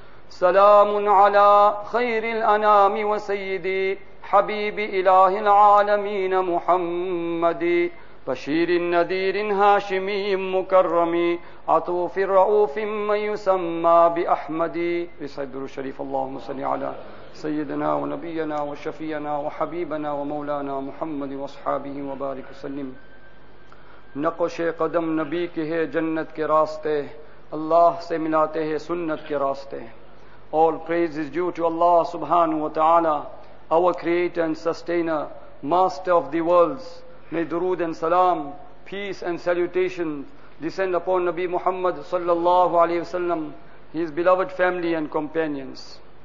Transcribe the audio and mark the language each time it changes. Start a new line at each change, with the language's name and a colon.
Arabic: سلام على خير الأنام وسيدي حبيب إله العالمين محمد، بشير النذير هاشمي مكرم، عطوف الرؤوف من يسمى بأحمد. بسيد الشريف، اللهم صل على سيدنا ونبينا وشفينا وحبيبنا ومولانا محمد واصحابه وبارك وسلم.
Urdu: نقش قدم نبی کے ہے جنت کے راستے، اللہ سے ملاتے ہیں سنت کے راستے.
English: All praise is due to Allah subhanahu wa ta'ala, our creator and sustainer, master of the worlds. May durood and salam, peace and salutation descend upon Nabi Muhammad sallallahu alayhi wasallam, his beloved family and companions.